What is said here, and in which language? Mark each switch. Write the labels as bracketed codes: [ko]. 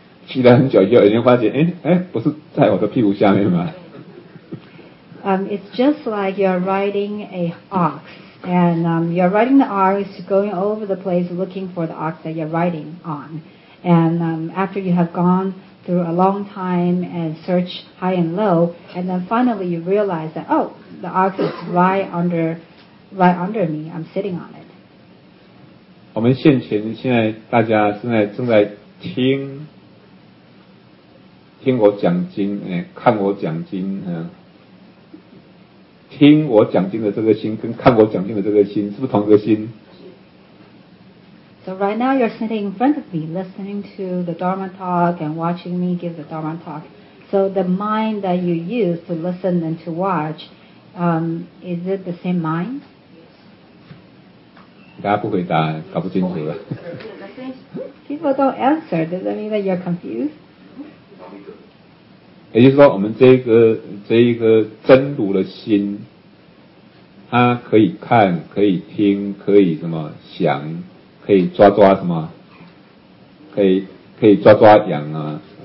[zh] 骑了很久以后，已经发现，不是在我的屁股下面吗？ [en] It's just like you're riding a ox, and you're riding the ox, going all over the place looking for the ox that you're riding on. And after you have gone through a long time and search high and low, and then finally you realize that, oh, the ox is right under me. I'm sitting on it. [zh] 我们现在大家正在听。听我讲经，看我讲经，听我讲经的这个心跟看我讲经的这个心，是不是同一个心？ [en] So right now you're sitting in front of me, listening to the Dharma talk and watching me give the Dharma talk. So the mind that you use to listen and to watch, is it the same mind? [zh] 大家不回答，搞不清楚了。 [en] People don't answer. Does that mean that you're confused? [zh] 也就是说，我们这一个真如的心，它可以看，可以听，可以什么想，可以抓抓什么，可以抓抓痒啊。